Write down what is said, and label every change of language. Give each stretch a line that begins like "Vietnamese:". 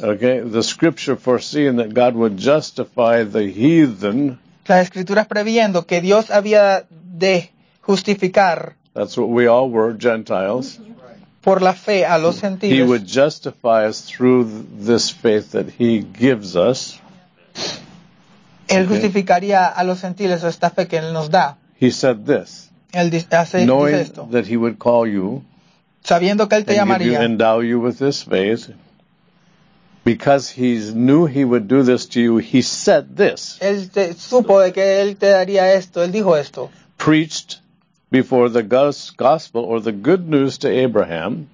English: Okay, the scripture foreseeing that God would justify the heathen,
Spanish: la escritura previendo que Dios había de justificar,
English: that's what we all were, Gentiles,
Spanish: por la fe a los gentiles,
English: He would justify us through this faith that He gives us.
Spanish: Él justificaría a los gentiles esta fe que él nos da.
English: He said this.
Spanish: Él dice esto.
English: Knowing that he would call you,
Spanish: sabiendo que él te llamaría,
English: and endow you with this faith, because he knew he would do this to you, he said this.
Spanish: Él supo de que él te daría esto. Él dijo esto.
English: Preached before the gospel or the good news to Abraham.